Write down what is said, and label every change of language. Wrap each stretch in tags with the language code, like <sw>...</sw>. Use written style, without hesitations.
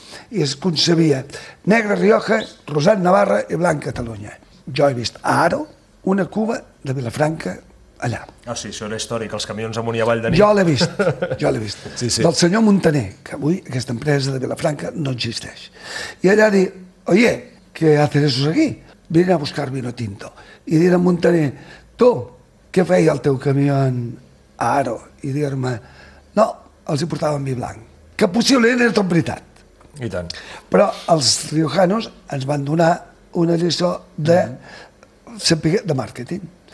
<ca>I es concebia negre Rioja, rosat Navarra i blanc Catalunya. Jo he vist a Aro una cuva de Vilafranca allà. Ah, sí, això era històric, els camions amunt i avall de nit. Jo l'he vist. Sí, sí. Del senyor Montaner, que avui aquesta empresa de Vilafranca no existeix. I allà di,</ca> <es>oye, ¿qué haces eso aquí? Vine a buscar vino tinto.</es> <ca>I dir a Montaner, tu, què feia el teu camion a Aro? I dir-me, no, els hi portaven vi blanc. Que possiblement era tot veritat. I tant. Però els riojanos ens van donar una lliçó de, de màrqueting.</ca>